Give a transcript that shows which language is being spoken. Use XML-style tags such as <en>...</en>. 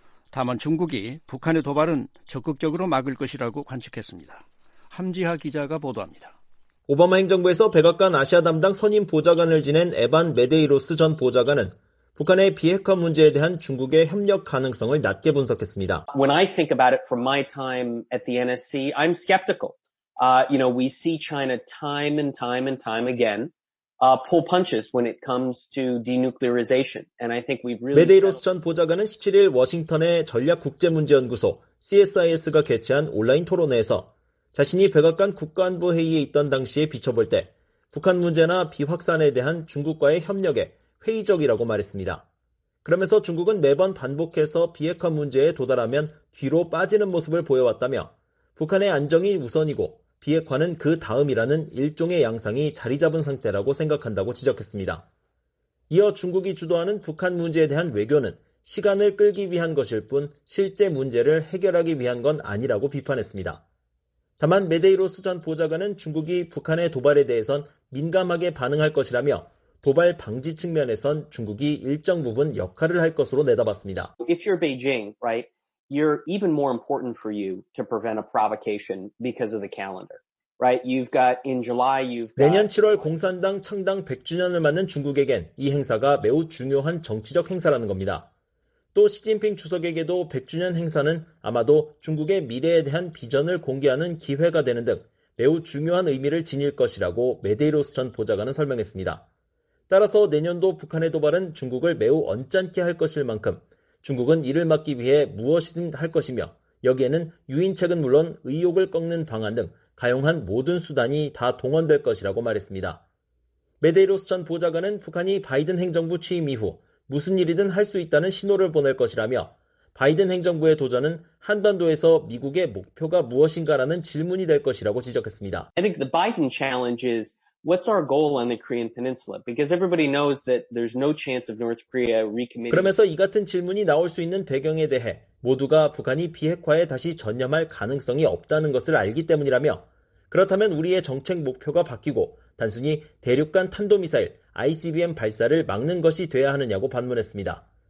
<ko>다만 중국이 북한의 도발은 적극적으로 막을 것이라고 관측했습니다. 함지하 기자가 보도합니다. 오바마 행정부에서 백악관 아시아 담당 선임 보좌관을 지낸 에반 메데이로스 전 보좌관은 북한의 비핵화 문제에 대한 중국의 협력 가능성을 낮게 분석했습니다.</ko> <en>When I think about it from my time at the NSC, I'm skeptical. You know, we see China time and time and time again. Pull punches when it comes to denuclearization. And I think we've really</en> <ko>메데이로스 전 보좌관은 17일 워싱턴의 전략국제문제연구소 CSIS가 개최한 온라인 토론회에서 자신이 백악관 국가안보회의에 있던 당시에 비춰볼 때 북한 문제나 비확산에 대한 중국과의 협력에 회의적이라고 말했습니다. 그러면서 중국은 매번 반복해서 비핵화 문제에 도달하면 뒤로 빠지는 모습을 보여왔다며 북한의 안정이 우선이고 비핵화는 그 다음이라는 일종의 양상이 자리 잡은 상태라고 생각한다고 지적했습니다. 이어 중국이 주도하는 북한 문제에 대한 외교는 시간을 끌기 위한 것일 뿐 실제 문제를 해결하기 위한 건 아니라고 비판했습니다. 다만 메데이로스 전 보좌관은 중국이 북한의 도발에 대해선 민감하게 반응할 것이라며 도발 방지 측면에선 중국이 일정 부분 역할을 할 것으로 내다봤습니다.</ko> <en>If you're Beijing, right? You're even more important for you to prevent a provocation because of the calendar, right? You've got in July, you've got</en> <ko>내년 7월 공산당 창당 100주년을 맞는 중국에겐 이 행사가 매우 중요한 정치적 행사라는 겁니다. 또 시진핑 주석에게도 100주년 행사는 아마도 중국의 미래에 대한 비전을 공개하는 기회가 되는 등 매우 중요한 의미를 지닐 것이라고 메데이로스 전 보좌관은 설명했습니다. 따라서 내년도 북한의 도발은 중국을 매우 언짢게 할 것일 만큼 중국은 이를 막기 위해 무엇이든 할 것이며 여기에는 유인책은 물론 의욕을 꺾는 방안 등 가용한 모든 수단이 다 동원될 것이라고 말했습니다. 메데이로스 전 보좌관은 북한이 바이든 행정부 취임 이후 무슨 일이든 할 수 있다는 신호를 보낼 것이라며 바이든 행정부의 도전은 한반도에서 미국의 목표가 무엇인가라는 질문이 될 것이라고 지적했습니다.</ko> <en>I think the Biden challenge is what's our goal on the Korean Peninsula? Because everybody knows that there's no chance of North Korea recommitting.</en> <ko>그러면서 이 같은 질문이 나올 수 있는 배경에 대해 모두가 북한이 비핵화에 다시 전념할 가능성이 없다는 것을 알기 때문이라며 그렇다면 우리의 정책 목표가 바뀌고 단순히 대륙간 탄도미사일 ICBM 발사를 막는 것이 돼야 하느냐고 반문했습니다.</ko>